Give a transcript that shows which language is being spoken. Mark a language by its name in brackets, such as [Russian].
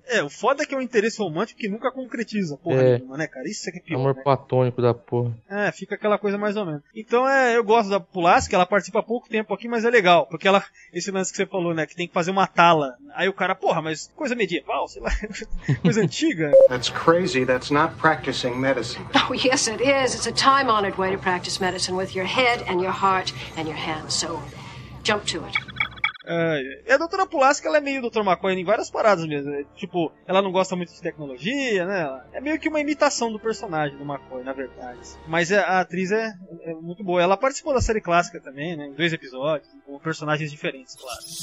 [Portuguese] É, o foda é que é um interesse romântico que nunca concretiza, porra nenhuma, né, cara? Isso é que é pior, amor, né? Platônico da porra. É, fica aquela coisa mais ou menos. Então, eu gosto da Pulaski, ela participa há pouco tempo aqui, mas é legal. Porque ela, esse lance que você falou, né, que tem que fazer uma tala. Aí o cara, porra, mas coisa medieval, sei lá, coisa antiga. [English] That's crazy. That's not practicing medicine. Oh, yes, it is. It's a time-honored way to practice medicine with your head and your heart and your hands. So, jump to it. [Portuguese] É, a doutora Pulaski, ela é meio Dr. McCoy em várias paradas mesmo. Né? Tipo, ela não gosta muito de tecnologia, né? Ela é meio que uma imitação do personagem do McCoy, na verdade. Mas a atriz é muito boa. Ela participou da série clássica também, né? Em dois episódios, com personagens diferentes, claro.